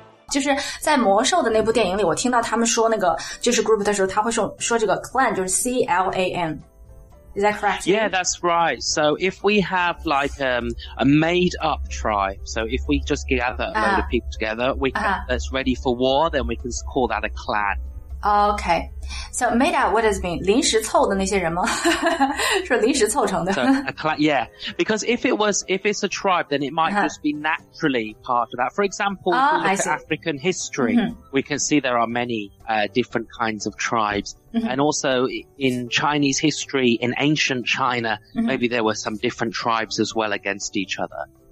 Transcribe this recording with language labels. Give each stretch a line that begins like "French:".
Chinese: 就是在魔兽的那部电影里我听到他们说那个就是 group 的时候他会 说这个 clan, 就是 C-L-A-N。
English: Is that correct? Yeah, that's right. So if we have like a made up tribe, so if we just gather a load of people together, we can, that's ready for war, then we can call that a clan. Okay. So made up, what does it mean?
Chinese: 临时凑的那些人吗是临时凑成的。
English: So, a clan, yeah. Because if it's a tribe, then it might just be naturally part of that. For example, if we look at African history, we can see there are many different kinds of tribes. And also in Chinese history, in ancient China, maybe there were some different tribes as well against each other.